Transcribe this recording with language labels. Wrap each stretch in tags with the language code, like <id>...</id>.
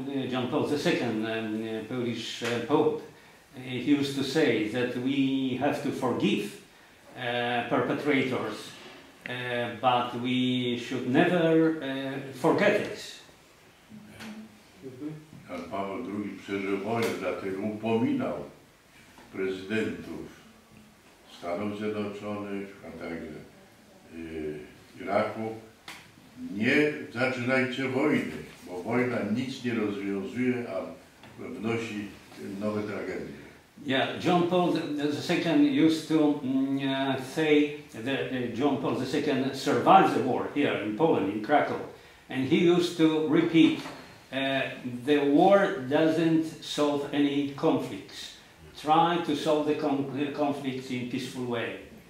<en>John Paul II, Polish Pope, he used to say that we have to forgive perpetrators, but we should never forget it.</en> <pl>Jan Paweł II przeżył wojnę, dlatego upominał prezydentów Stanów Zjednoczonych, a także Iraku, nie zaczynajcie wojny, bo wojna nic nie rozwiązuje, a wnosi nowe tragedie.</pl> <en>Yeah, John Paul II used to say that John Paul II survived the war here in Poland, in Krakow, and he used to repeat, the war doesn't solve any conflicts. Try to solve the conflicts in a peaceful way.</en>